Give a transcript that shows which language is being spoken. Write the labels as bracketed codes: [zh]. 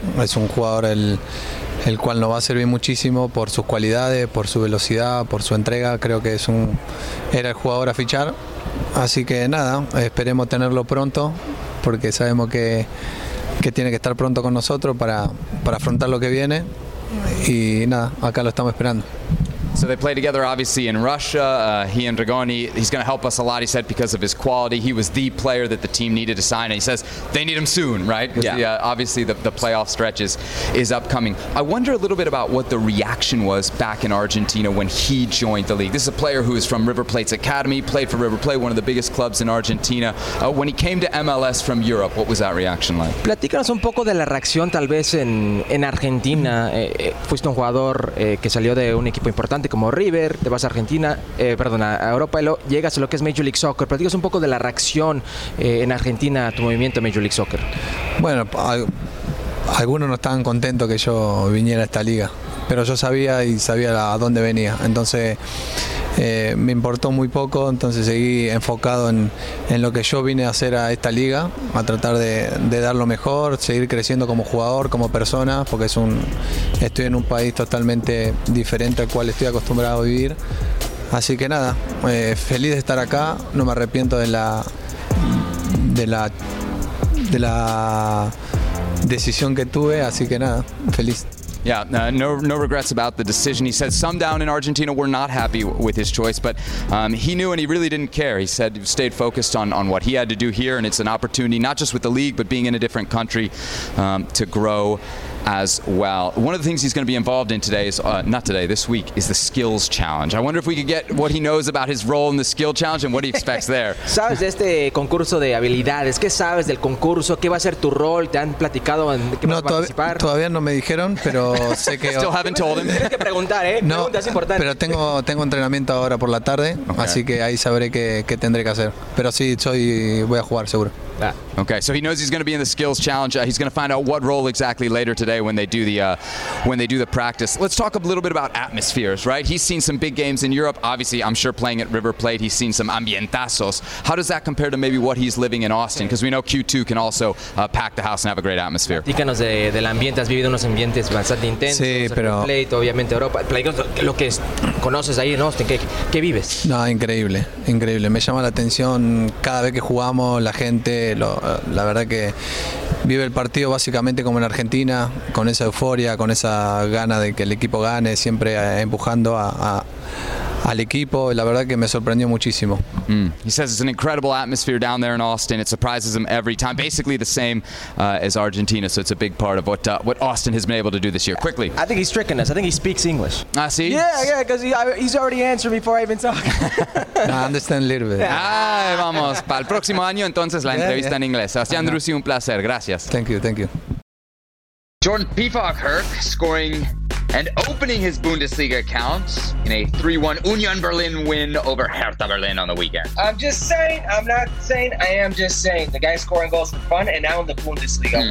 [es] Es un jugador el cual nos va a servir muchísimo por sus cualidades, por su velocidad, por su entrega. Creo que era el jugador a fichar. Así que nada, esperemos tenerlo pronto porque sabemos que tiene que estar pronto con nosotros para afrontar lo que viene. Y nada, acá lo estamos esperando. [en] So they play together, obviously, in Russia. He and Rigoni, he's going to help us a lot, he said, because of his quality. He was the player that the team needed to sign. And he says they need him soon, right? Because yeah. Obviously the playoff stretch is upcoming. I wonder a little bit about what the reaction was back in Argentina when he joined the league. This is a player who is from River Plate's academy, played for River Plate, one of the biggest clubs in Argentina. When he came to MLS from Europe, what was that reaction like? [es] Platícanos un poco de la reacción, tal vez, en Argentina. Fuiste un jugador que salió de un equipo importante. Como River, te vas a Argentina, a Europa, llegas a lo que es Major League Soccer. Platicas un poco de la reacción en Argentina a tu movimiento Major League Soccer. Bueno, algunos no estaban contentos que yo viniera a esta liga, pero yo sabía y sabía a dónde venía. Entonces me importó muy poco, entonces seguí enfocado en lo que yo vine a hacer a esta liga, a tratar de dar lo mejor, seguir creciendo como jugador, como persona, porque estoy en un país totalmente diferente al cual estoy acostumbrado a vivir. Así que nada, feliz de estar acá, no me arrepiento de la decisión que tuve, así que nada, feliz. [en] Yeah, no regrets about the decision. He said some down in Argentina were not happy with his choice, but he knew and he really didn't care. He said he stayed focused on what he had to do here, and it's an opportunity, not just with the league, but being in a different country to grow as well. One of the things he's going to be involved in today is, this week, is the skills challenge. I wonder if we could get what he knows about his role in the skill challenge and what he expects there. [es] ¿Sabes de este concurso de habilidades? ¿Qué sabes del concurso? ¿Qué va a ser tu rol? ¿Te han platicado en qué vas a participar? Todavía no me dijeron, pero sé que... [en] Still haven't told him. [es] Tienes que preguntar, ¿eh? No, preguntas importantes. Pero tengo entrenamiento ahora por la tarde, okay. Así que ahí sabré qué tendré que hacer. Pero sí, voy a jugar, seguro. [en] Okay, so he knows he's going to be in the skills challenge. He's going to find out what role exactly later today when they do the practice. Let's talk a little bit about atmospheres, right? He's seen some big games in Europe. Obviously, I'm sure playing at River Plate, he's seen some ambientazos. How does that compare to maybe what he's living in Austin? Because we know Q2 can also pack the house and have a great atmosphere. [es] Díganos del ambiente. Has vivido unos ambientes bastante intensos. Sí, pero... River Plate, obviamente, Europa. Lo que conoces ahí en Austin, ¿qué vives? No, increíble. Increíble. Me llama la atención cada vez que jugamos, la gente... La verdad que vive el partido básicamente como en Argentina, con esa euforia, con esa gana de que el equipo gane, siempre empujando al equipo. La verdad que me sorprendió muchísimo. Mm. [en] He says it's an incredible atmosphere down there in Austin. It surprises him every time. Basically the same as Argentina, so it's a big part of what Austin has been able to do this year. Quickly. I think he's tricking us. I think he speaks English. Ah, see? Yeah, because he's already answered before I even talk. No, I understand a little bit. [es] Ay, vamos. Para el próximo año, entonces, la entrevista en inglés. Sebastián Drusi, un placer. Gracias. [en] Thank you. Jordan Pivakherk scoring and opening his Bundesliga account in a 3-1 Union Berlin win over Hertha Berlin on the weekend. I'm just saying. The guy scoring goals for fun and now in the Bundesliga.